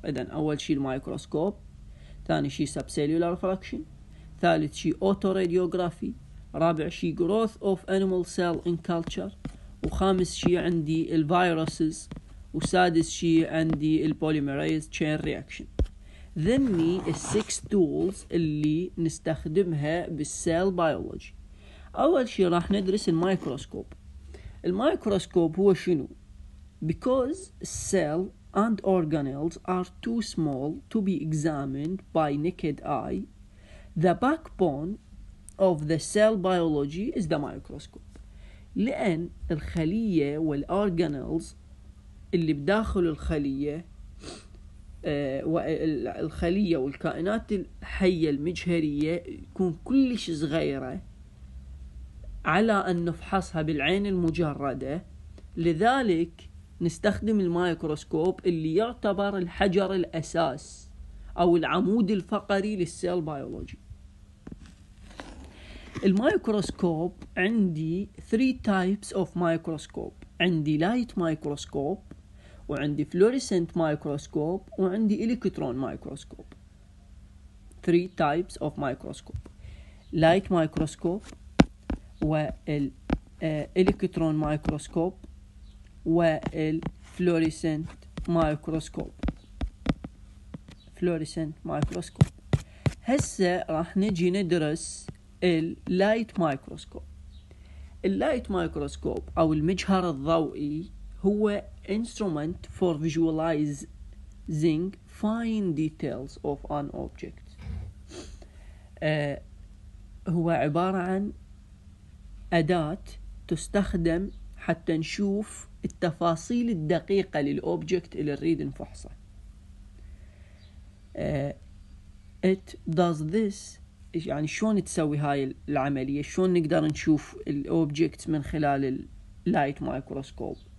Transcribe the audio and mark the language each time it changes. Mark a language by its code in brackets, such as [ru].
[ar] إذن أول شيء المايكروسكوب، ثاني شيء subcellular fraction، ثالث شيء autoradiography، رابع شيء [en] growth of animal cell in culture، [ar] وخامس شيء عندي الفيروسز، وسادس شيء عندي البوليميريز chain reaction. ذني الـ6 tools اللي نستخدمها بالcell biology. أول شيء راح ندرس المايكروسكوب. المايكروسكوب هو شنو؟ [en] Because cell and organelles are too small to be examined by naked eye, the backbone of the cell biology is the microscope. [ar] لأن الخلية والorganelles اللي بداخل الخلية والخلية والكائنات الحية المجهرية يكون كلش صغيرة على أن نفحصها بالعين المجردة، لذلك نستخدم المايكروسكوب اللي يعتبر الحجر الأساس أو العمود الفقري للسيل بيولوجي. [en] المايكروسكوب عندي 3 types of microscope، عندي light microscope، وعندي fluorescent microscope، وعندي electron microscope. 3 types of microscope: light microscope وال electron microscope والفلوريسنت مايكروسكوب. Fluorescent microscope. [ar] هسه راح نجي ندرس اللايت مايكروسكوب. [en] اللايت مايكروسكوب [ar] او المجهر الضوئي هو [en] instrument for visualizing fine details of an object. [ar] هو عبارة عن أداة تستخدم حتى نشوف التفاصيل الدقيقة للأوبجكت اللي نريد نفحصه. [en] It does this، [ar] يعني شلون تسوي هاي العملية، شلون نقدر نشوف الأوبجكت من خلال اللايت مايكروسكوب.